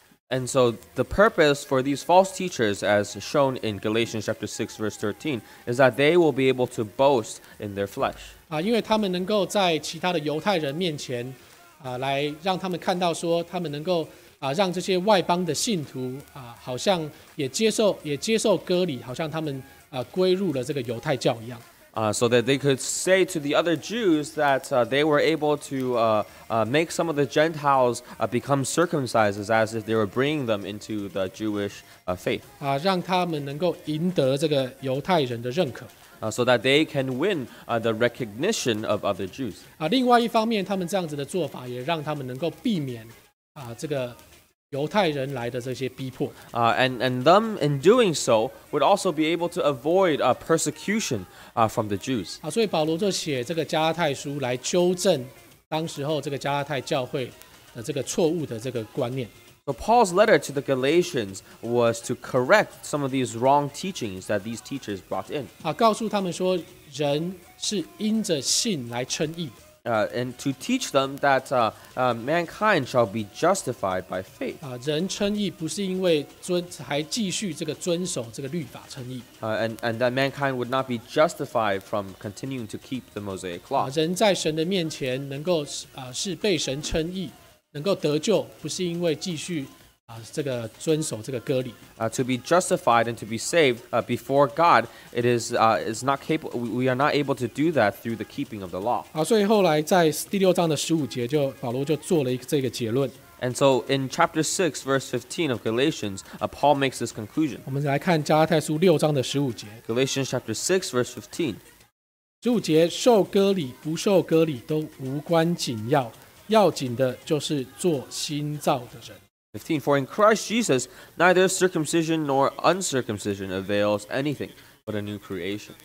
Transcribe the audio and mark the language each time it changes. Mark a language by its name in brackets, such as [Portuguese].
[English] And so the purpose for these false teachers, as shown in Galatians chapter 6 verse 13, is that they will be able to boast in their flesh. [Chinese] 因为他们能够在其他的犹太人面前来让他们看到说，他们能够让这些外邦的信徒好像也接受割礼，好像他们归入了这个犹太教一样。 [English] So that they could say to the other Jews that they were able to make some of the Gentiles become circumcised as if they were bringing them into the Jewish faith. [Chinese] 让他们能够赢得这个犹太人的认可。 [English] So that they can win the recognition of other Jews. [Chinese] 另外一方面，他们这样子的做法也让他们能够避免这个犹太人来的这些逼迫。 [English] And them in doing so would also be able to avoid persecution from the Jews. [Chinese] 所以保罗就写这个加拉太书来纠正当时候这个加拉太教会的这个错误的这个观念。 [English] So Paul's letter to the Galatians was to correct some of these wrong teachings that these teachers brought in. [Chinese] 告诉他们说，人是因着信来称义。 [English] And to teach them that mankind shall be justified by faith. [Chinese] 人称义不是因为还继续这个遵守这个律法称义。 [English] And that mankind would not be justified from continuing to keep the Mosaic law. [Chinese] 人在神的面前能够是被神称义，能够得救，不是因为继续这个遵守这个割礼。 [English] To be justified and to be saved before God, it is not capable. We are not able to do that through the keeping of the law. [Chinese] 所以后来在第六章的十五节就，保罗就做了这个结论。 [English] And so in chapter 6, verse 15 of Galatians, Paul makes this conclusion. [Chinese] 我们来看加拉太书六章的十五节。 [English] Galatians chapter 6, verse 15. [Chinese] 十五节，受割礼不受割礼都无关紧要，要紧的就是做新造的人。 [English] 15, for in Christ Jesus, neither circumcision nor uncircumcision avails anything but a new creation.